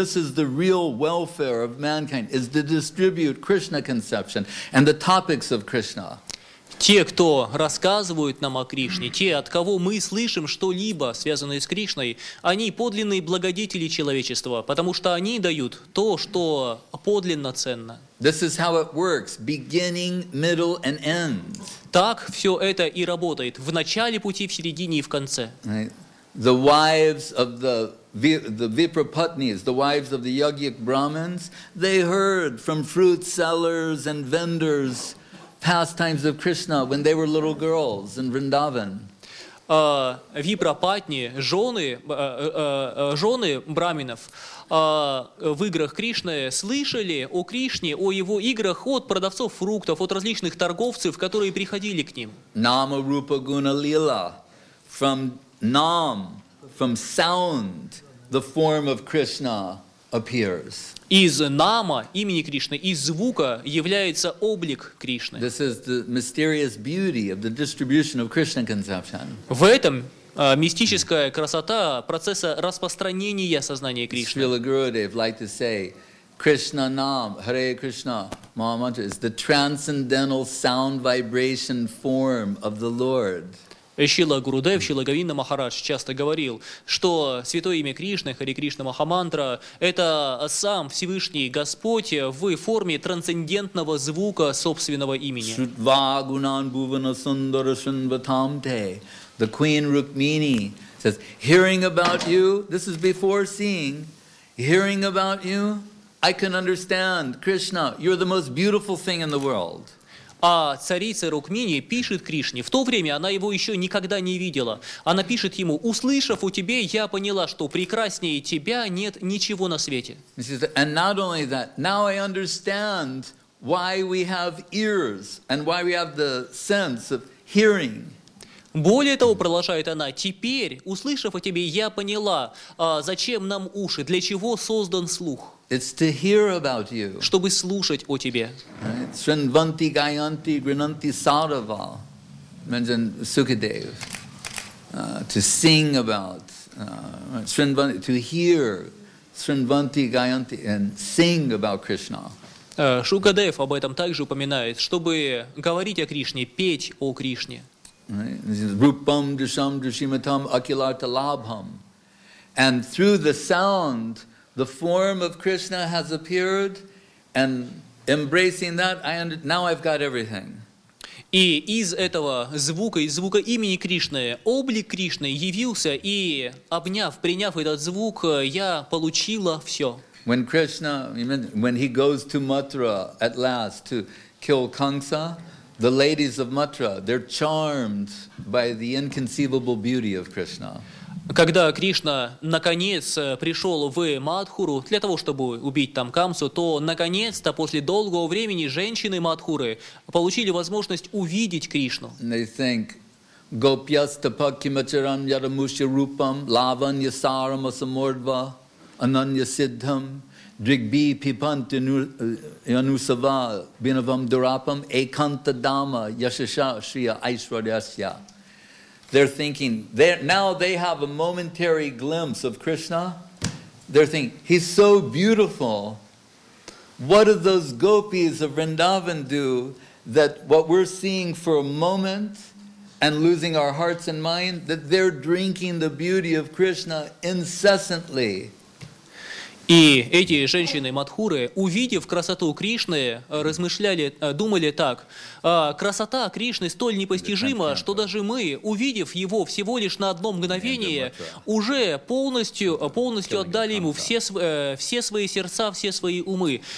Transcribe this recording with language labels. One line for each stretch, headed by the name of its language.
English: This is the real welfare of mankind, is to distribute Krishna conception and the topics of Krishna.
Russian: Те, кто рассказывают нам о Кришне, те, от кого мы слышим что-либо, связанное с Кришной, они подлинные благодетели человечества, потому что они дают то, что подлинно ценно.
English: This is how it works, beginning, middle, and end.
Russian: Так все это и работает, в начале пути, в середине и в конце.
English: The wives of the Vipraputnis, the wives of the yogic Brahmins, they heard from fruit sellers and vendors pastimes of Krishna when they were little girls in Vrindavan.
Russian: Випрапатни, жены браминов в играх Кришны слышали о Кришне, о его играх от продавцов фруктов, от различных торговцев, которые приходили к ним.
Sanskrit: Нама Рупа Гуна Лила
English: from Nam, from sound, the form of Krishna appears.
Russian: Из нама, имени Кришны, из звука является облик Кришны.
English: This is the mysterious beauty of the distribution of Krishna conception.
Russian: В этом мистическая красота процесса распространения сознания Кришны.
English: Srila Gurudev liked to say, Krishna Nam, Hare Krishna, Maha Mantra is the transcendental sound vibration form of the Lord.
Russian: Шрила Гурудев, Шрила Говинда Махарадж часто говорил, что святое имя Кришны, Хари Кришна Махамантра, это сам Всевышний Господь в форме трансцендентного звука собственного имени.
Sanskrit: Шрутва гунан бувана сундара шинватамте.
English: The Queen Rukmini says, hearing about you, this is before seeing, hearing about you, I can understand, Krishna, you're the most beautiful thing in the world.
Russian: А царица Рукмини пишет Кришне, в то время она его еще никогда не видела. Она пишет ему, услышав о тебе, я поняла, что прекраснее тебя нет ничего на свете.
English: And not only that, now I understand why we have ears and why we have the sense of hearing.
Russian: Более того, продолжает она, теперь, услышав о тебе, я поняла, зачем нам уши, для чего создан слух.
English: It's to hear about you.
Russian: Чтобы слушать о тебе.
Sanskrit: Shrinvanti gayanti grinanti sarava.
English: Mentioned Sukadev. To sing about. Shrinvanti, to hear.
Sanskrit: Shrinvanti gayanti
English: and sing about Krishna.
Russian: Shukadev об этом также упоминает. Чтобы говорить о Кришне, петь о Кришне.
Sanskrit: Rupam drisham drishimatam akilarta labham.
English: And through the sound, the form of Krishna has appeared, and embracing that, now I've got everything.
Russian: И из этого звука, из звука имени Кришны, облик Кришны явился, и обняв, приняв этот звук, я получила все.
English: When Krishna, when he goes to Mathura at last to kill Kamsa, the ladies of Mathura, they're charmed by the inconceivable beauty of Krishna.
Russian: Когда Кришна наконец пришел в Мадхуру для того, чтобы убить там Камсу, то наконец-то после долгого времени женщины Мадхуры получили возможность увидеть Кришну.
English: They think,
Sanskrit: Gopyastapa kimacharam yadamushya rupam, lavanya saram asamordva, ananya siddham, drigbi pipanti yanusava, binavam durapam, ekanta dama, yashasha shriya aishwaryasya.
English: They're thinking, now they have a momentary glimpse of Krishna. They're thinking, he's so beautiful. What do those gopis of Vrindavan do that what we're seeing for a moment and losing our hearts and mind, that they're drinking the beauty of Krishna incessantly?
Russian: И эти женщины Мадхуры, увидев красоту Кришны, размышляли, думали так, красота Кришны столь непостижима, что даже мы, увидев его всего лишь на одно мгновение, уже полностью отдали ему все свои сердца, все свои умы.